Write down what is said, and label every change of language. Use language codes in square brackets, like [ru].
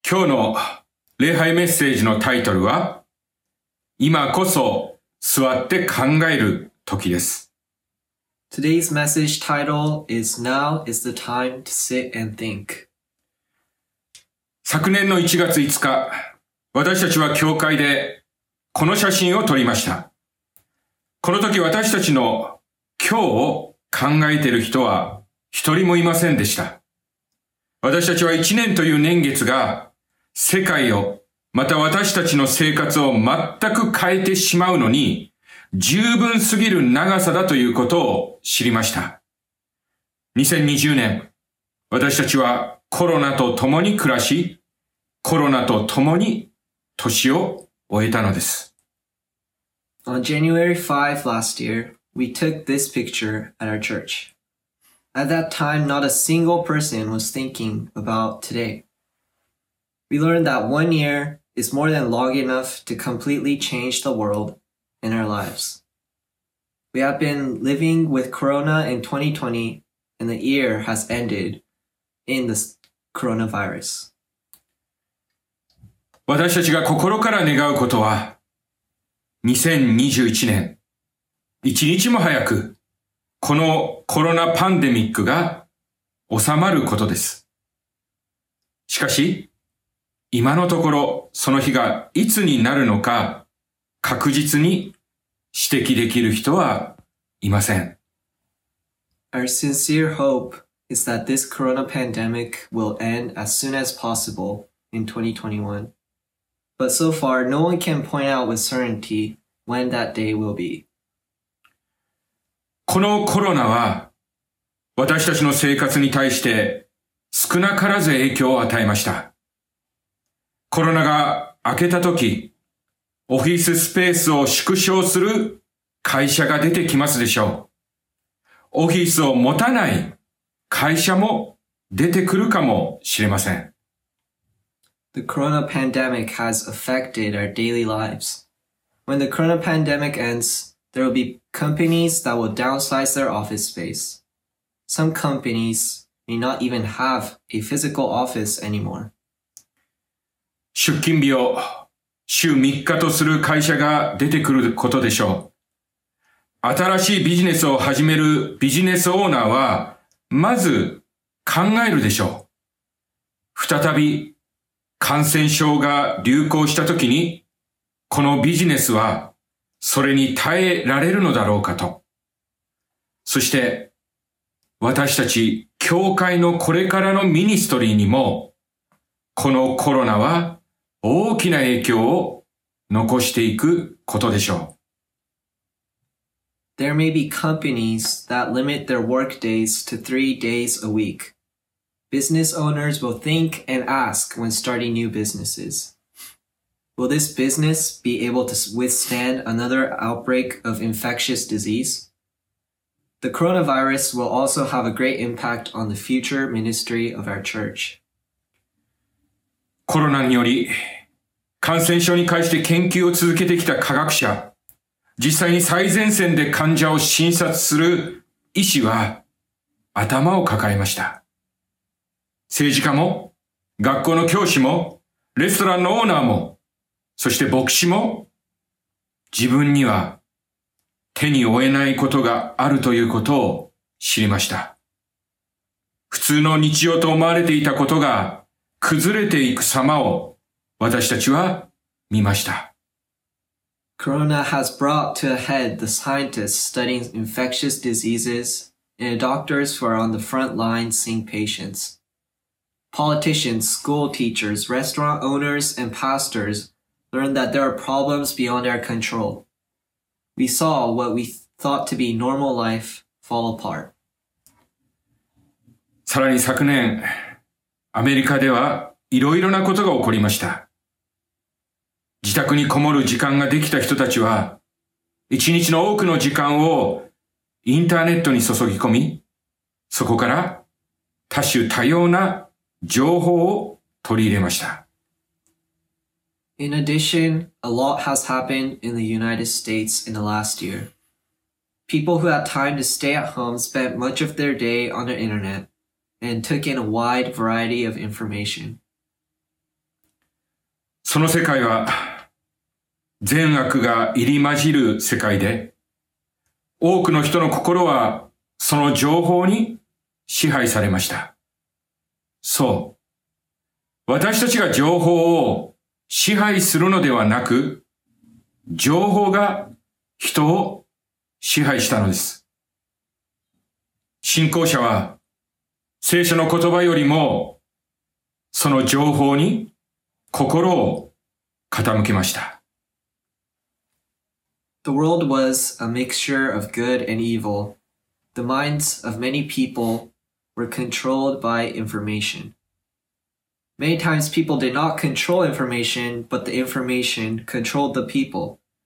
[ja] 今日の礼拝メッセージのタイトルは、今こそ座って考える時です。 [en] Today's message title is Now is the time to sit and think. [ja] 昨年の1月5日、私たちは教会でこの写真を撮りました。この時私たちの今日を考えている人は一人もいませんでした。私たちは1年という年月が世界を、また私たちの生活を全く変えてしまうのに、十分すぎる長さだということを知りました。 2020年、私たちはコロナと共に暮らし、コロナと共に年を終えたのです。 [en] On January 5 last year, we took this picture at our church. At that time, not a single person was thinking about today. We learned that 1 year is more than long enough to completely change the world and our lives. We have been living with Corona in 2020 and the year has ended in the coronavirus. [ja] 私たちが心から願うことは、2021年、一日も早くこのコロナパンデミックが収まることです。しかし、今のところその日がいつになるのか確実に指摘できる人はいません。 [en] Our sincere hope is that this corona pandemic will end as soon as possible in 2021. But so far, no one can point out with certainty when that day will be. [ja] このコロナは私たちの生活に対して少なからず影響を与えました。コロナが明けた時、オフィススペースを縮小する会社が出てきますでしょう。オフィスを持たない会社も出てくるかもしれません。 [en] The corona pandemic has affected our daily lives. When the corona pandemic ends, there will be companies that will downsize their office space. Some companies may not even have a physical office anymore. [ja] 出勤日を週3日とする会社が出てくることでしょう。新しいビジネスを始めるビジネスオーナーは、まず考えるでしょう。再び感染症が流行したときに、このビジネスはそれに耐えられるのだろうかと。そして、私たち教会のこれからのミニストリーにも、このコロナは大きな影響を残していくことでしょう。 [en] There may be companies that limit their work days to 3 days a week. Business owners will think and ask when starting new businesses. Will this business be able to withstand another outbreak of infectious disease? The coronavirus will also have a great impact on the future ministry of our church. [ja] コロナにより感染症に関して研究を続けてきた科学者、実際に最前線で患者を診察する医師は頭を抱えました。政治家も、学校の教師も、レストランのオーナーも、そして牧師も、自分には手に負えないことがあるということを知りました。普通の日常と思われていたことが崩れていく様を私たちは見ました。 [en] Corona has brought to a head the scientists studying infectious diseases and doctors who are on the front line seeing patients. Politicians, school teachers, restaurant owners, and pastors learned that there are problems beyond our control. We saw what we thought to be normal life fall apart. [ja] さらに昨年、アメリカではいろいろなことが起こりました。自宅にこもる時間ができた人たちは、一日の多くの時間をインターネットに注ぎ込み、そこから多種多様な情報を取り入れました。 [en] In addition, a lot has happened in the United States in the last year. People who had time to stay at home spent much of their day on the internet and took in a wide variety of information. [ja] その世界は善悪が入り混じる世界で、多くの人の心はその情報に支配されました。そう。私たちが情報を支配するのではなく、情報が人を支配したのです。信仰者は聖書の言葉よりもその情報に心を傾けました。 [en] The world was a mixture of good and evil. The minds of many people were controlled by information. Many times people did not control information, but the information controlled the people.